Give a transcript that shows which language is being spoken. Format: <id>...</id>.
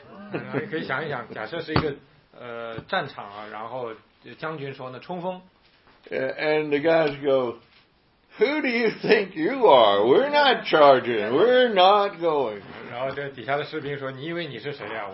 <zh>你可以想一想，假设是一个战场啊，然后将军说呢冲锋。</zh> <en>And the guys go, who do you think you are? We're not charging. We're not going.</en> <zh>然后这底下的士兵说，你以为你是谁呀、啊？</zh>